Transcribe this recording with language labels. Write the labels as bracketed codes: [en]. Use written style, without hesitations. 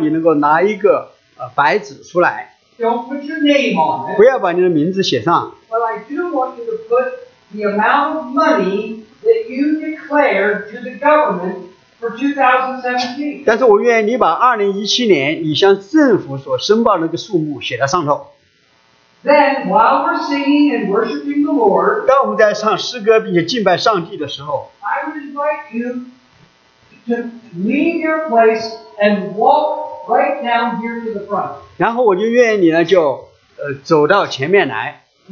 [zh] 在我们唱诗歌的时候呢，敬拜神的时候，我愿意，我就希望你能够拿一个白纸出来。 [en] Don't put your name on it. [zh] 不要把你的名字写上。 [en] But I do want you to put the amount of money that you declared to the government for 2017. [zh] 但是我愿意你把2017年你向政府所申报的那个数目写在上头。 [en] Then, while we're singing and worshiping the Lord, [zh] 当我们在唱诗歌并且敬拜上帝的时候, [en] I would invite you to leave your place and walk right down here to the front. [zh] 然后我就愿意你呢就走到前面来。